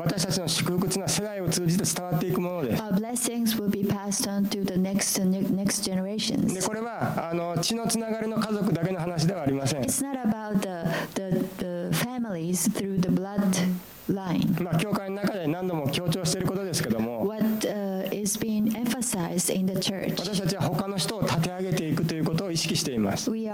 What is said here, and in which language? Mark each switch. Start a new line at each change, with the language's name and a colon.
Japanese: 私たちの祝福というのは世代を通じて伝わっていくものです。
English: Our blessings will be passed on to the next generations.
Japanese: でこれは血のつながりの家族だけの話ではありません。
English: It's not about the families through the blood.
Japanese: 教会の中で何度も強調していることですけども私たちは他の人を立て上げていくということを意識しています。